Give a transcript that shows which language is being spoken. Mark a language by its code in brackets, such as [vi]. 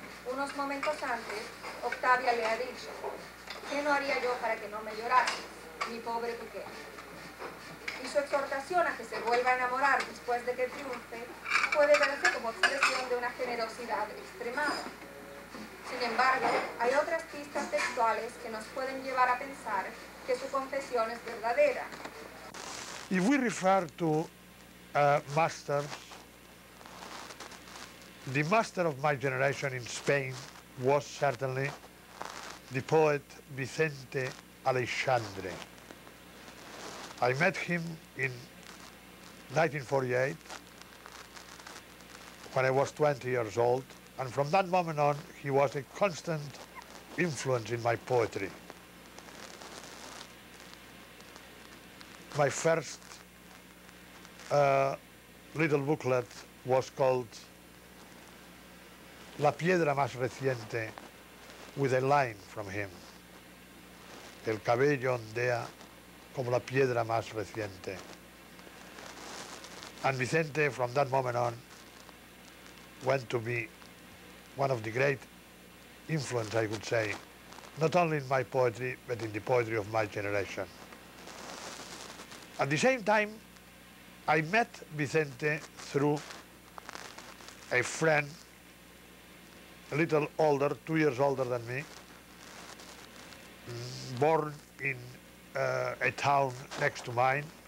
[es] Unos momentos antes, Octavia le ha dicho, ¿qué no haría yo para que no me llorase, mi pobre pequeño? Y su exhortación a que se vuelva a enamorar después de que triunfe puede verse como expresión de una generosidad extremada. Sin embargo, hay otras pistas textuales que nos pueden llevar a pensar que su confesión es verdadera. [en] If we refer to masters, the master of my generation in Spain was certainly the poet Vicente Aleixandre. I met him in 1948, when I was 20 years old, and from that moment on, he was a constant influence in my poetry. My first little booklet was called La Piedra Más Reciente, with a line from him. [es] El cabello ondea como la piedra más reciente. [en] And Vicente, from that moment on, went to be one of the great influence, I would say, not only in my poetry, but in the poetry of my generation. At the same time, I met Vicente through a friend, a little older, 2 years older than me, born in a town next to mine,